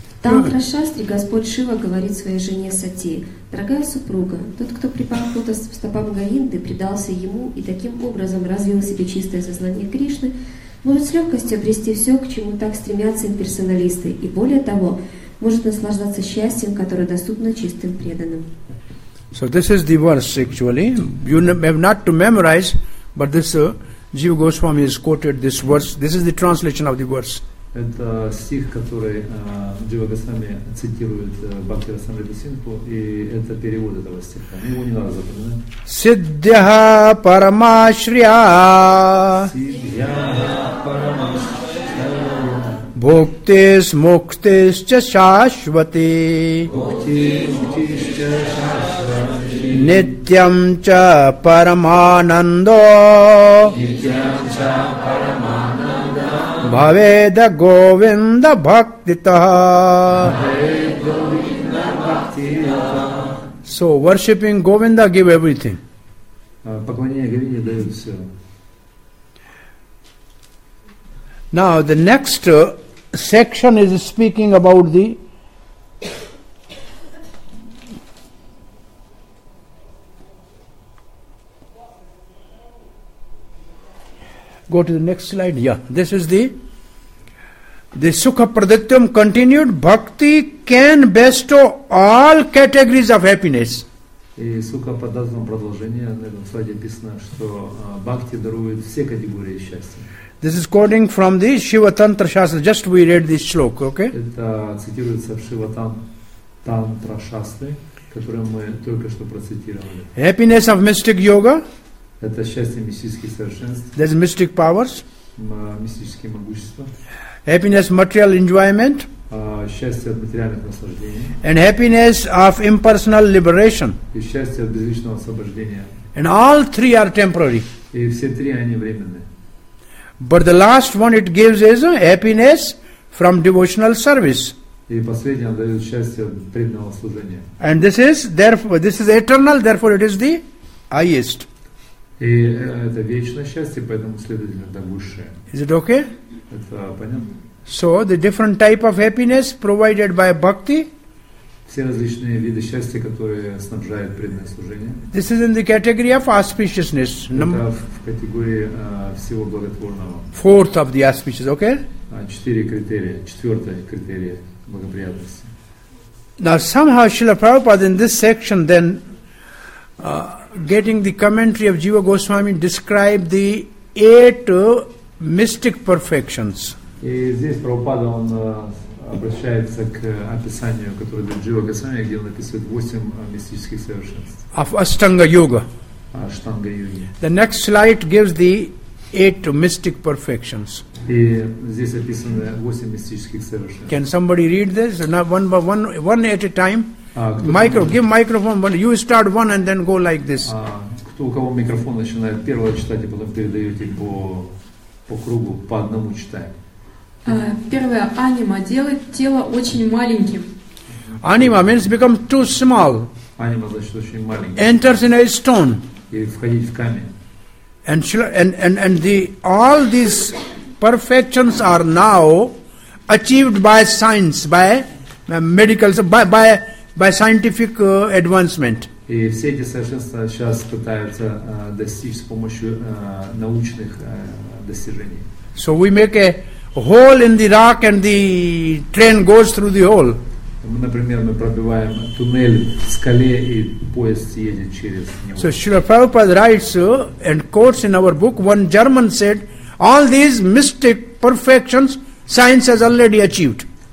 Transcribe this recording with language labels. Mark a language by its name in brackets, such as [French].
[Russian] Тантра Шастри Господь Шива говорит своей жене Сати: «Дорогая супруга, тот, кто припал к стопам Говинды, предался ему и таким образом развил в себе чистое сознание Кришны, может с легкостью обрести все, к чему так стремятся имперсоналисты, и более того, может наслаждаться счастьем, которое доступно чистым преданным». [English] So this is the verse actually. You have not to memorize, but this Jiva Goswami has quoted this verse. This is the translation of the verse. [Russian] Это стих, который Джива Госвами цитирует Бхакти Расамрита Сингху, и это перевод этого стиха. Ну, его не надо запоминать. [Sanskrit] Сиддхя парамашрия. Сиддхя парамашрия. Бхуктис муктис ча шашвати. Бхуктис муктис ча шашвати. Нитьям ча параманандо. Нитьям ча параманандо. Bhaveda Govinda Bhaktitaha. Bhaveda Govinda Bhaktitaha. [English] So worshipping Govinda give everything. [Russian] Поклонение Говинде дает все. [English] Now the next section is speaking about the go to the next slide. Yeah, this is the Sukha Pradityam continued. Bhakti can bestow all categories of happiness. [Russian] И Сукха Пададзам продолжение на этом слайде написано, что Бхакти дарует все категории счастья. [English] This is quoting from the Shiva Tantra Shastra. Just we read this shloka, okay? [Russian] Это цитируется в Shiva Tantra Shastra, которое мы только что процитировали. [English] Happiness of mystic yoga. [Russian] Это счастье мистических совершенств. [English] There's mystic powers. [Russian] Мистические могущества. [English] Happiness, material enjoyment. [Russian] Счастье от материальных наслаждений. [English] And happiness of impersonal liberation. [Russian] И счастье от безличного освобождения. [English] And all three are temporary. [Russian] И все три, они временные. [English] But the last one it gives is happiness from devotional service. [Russian] И последнее дает счастье от преданного служения. [English] And this is eternal, therefore it is the highest. [Russian] И это вечное счастье, поэтому, следовательно, это высшее. [English] Is it okay? [Russian] Это понятно? [English] So, the different type of happiness provided by Bhakti. [Russian] Все различные виды счастья, которые снабжают преданное служение. [English] This is in the category of auspiciousness. [Russian] Это в категории всего благотворного. [English] Fourth of the auspicious, okay? [Russian] Четыре критерия, четвертое критерие благоприятности. [English] Now, somehow Srila Prabhupada in this section then getting the commentary of Jiva Goswami describe the eight mystic perfections. [Russian] И здесь Прабхупада он обращается к описанию, которое дает Джива Госвами, где он описывает восемь мистических совершенств. [English] Of Ashtanga Yoga. Ashtanga Yoga. The next slide gives the eight mystic perfections. [Russian] И здесь описаны восемь мистических совершенств. [English] Can somebody read this? Now one by one at a time. Give microphone. You start one and then go like this. [Russian] Кто у кого микрофон начинает первого читать, и потом передаете по кругу, по одному читаем. Первое, анима делает тело очень маленьким. [English] Anima means become too small. [Russian] Anima, значит, очень маленький. [English] Enters in a stone. [Russian] И входить в камень. [English] And the all these perfections are now achieved by science, by medical, by scientific advancement. [Russian] И все эти совершенства сейчас пытаются достичь с помощью научных достижений. [English] So we make a hole in the rock, and the train goes through the hole. [Russian] Например, мы пробиваем туннель в скале, и поезд едет через него. [English] So Srila Prabhupada writes and quotes in our book, one German said, all these mystic perfections science has already achieved.